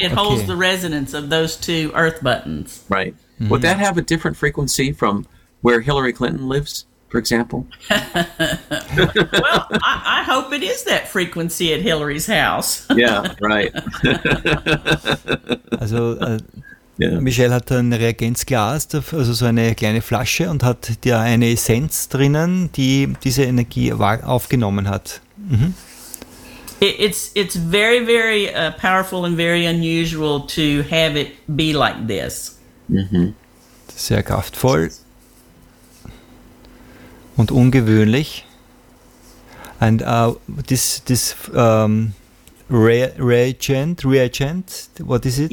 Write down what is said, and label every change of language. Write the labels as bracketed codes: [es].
[en] It holds the resonance of those two earth buttons. Right. Mm-hmm. Would that have a different frequency from where Hillary Clinton lives? For example? Well, I hope it is that frequency at Hillary's house. Yeah, right. Also, yeah. [de] Michelle hat ein Reagenzglas, also so eine kleine Flasche, und hat da eine Essenz drinnen, die diese Energie aufgenommen hat. Mhm. [en] It's very, very powerful and very unusual to have it be like this. [de] Mhm. Sehr kraftvoll. Und ungewöhnlich. [en] And this reagent, what is it?